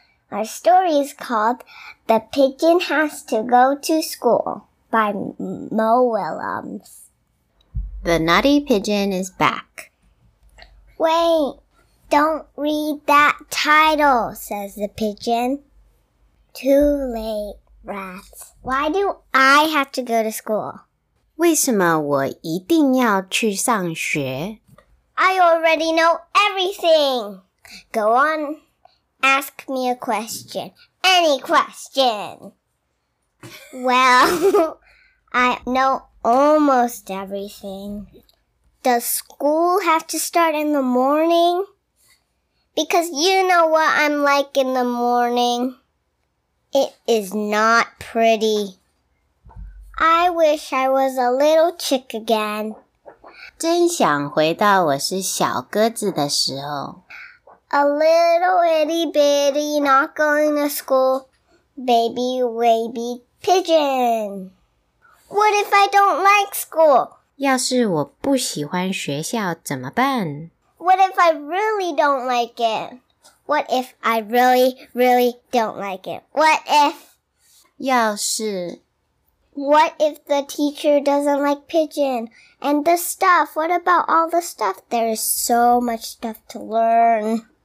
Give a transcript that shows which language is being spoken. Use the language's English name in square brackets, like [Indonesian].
[English] Our story is called The Pigeon Has to Go to School by Mo Willems. The Naughty Pigeon is Back. Wait, don't read that title, says the pigeon. Too late, rats. Why do I have to go to school? [Chinese] 为什么我一定要去上学? [English] I already know everything. Go on. Ask me a question. Any question. Well, I know almost everything. Does school have to start in the morning? Because you know what I'm like in the morning. It is not pretty. I wish I was a little chick again. [Chinese] 真想回到我是小鸽子的时候。 [English] A little itty bitty not going to school, baby wavy pigeon. What if I don't like school? [Chinese] 要是我不喜欢学校怎么办? [English] What if I really don't like it? What if I really, really don't like it? What if? [Chinese] 要是 [English] What if the teacher doesn't like pigeon? And the stuff, what about all the stuff? There is so much stuff to learn.